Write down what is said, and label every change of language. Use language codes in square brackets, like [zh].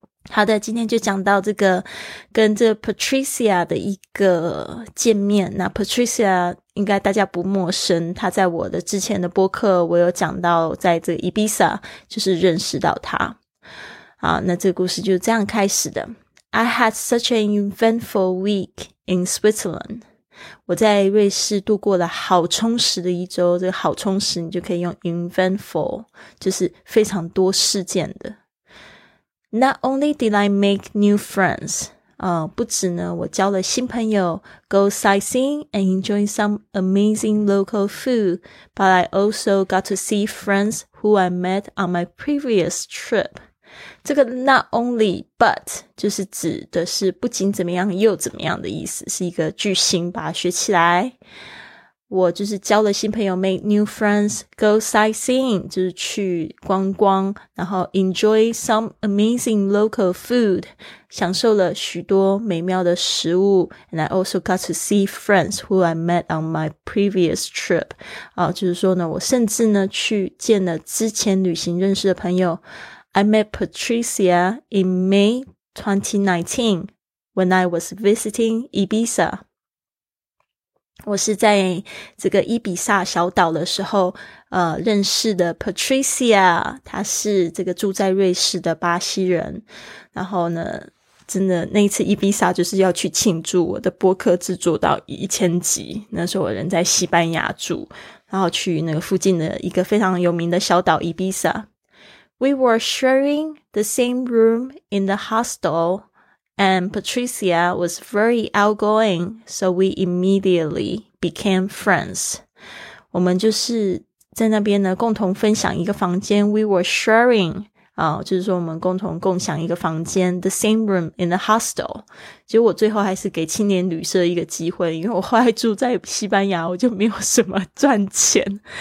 [zh] 好的，今天就讲到这个跟这 Patricia 的一个见面。那 Patricia 应该大家不陌生，她在我的之前的播客我有讲到在这个 Ibiza 就是认识到她。好，那这个故事就这样开始的。 [en] I had such an eventful week in Switzerland. [zh] 我在瑞士度过了好充实的一周，这个好充实你就可以用 eventful 就是非常多事件的。 [en] Not only did I make new friends, [zh] 不止呢我交了新朋友 [en] go sightseeing and enjoy some amazing local food, but I also got to see friends who I met on my previous trip. [zh] 这个 not only, but 就是指的是不仅怎么样又怎么样的意思，是一个句型，把它学起来。我就是交了新朋友 [en] make new friends, go sightseeing, [zh] 就是去观光，然后 [en] enjoy some amazing local food, [zh] 享受了许多美妙的食物 [en] and I also got to see friends who I met on my previous trip. [zh] 就是说呢我甚至呢去见了之前旅行认识的朋友。 [en] I met Patricia in May 2019 when I was visiting Ibiza. [zh] 我是在这个伊比萨小岛的时候认识的 Patricia, 她是这个住在瑞士的巴西人。然后呢真的那一次伊比萨就是要去庆祝我的播客制作到1000集，那时候我人在西班牙住，然后去那个附近的一个非常有名的小岛伊比萨。 [en] We were sharing the same room in the hostel,And Patricia was very outgoing, so we immediately became friends. [zh] 我们就是在那边呢共同分享一个房间。 [en] We were sharing, [zh] 就是说我们共同共享一个房间。 [en] The same room in the hostel. [zh] 结果我最后还是给青年旅社一个机会，因为我后来住在西班牙，我就没有什么赚钱。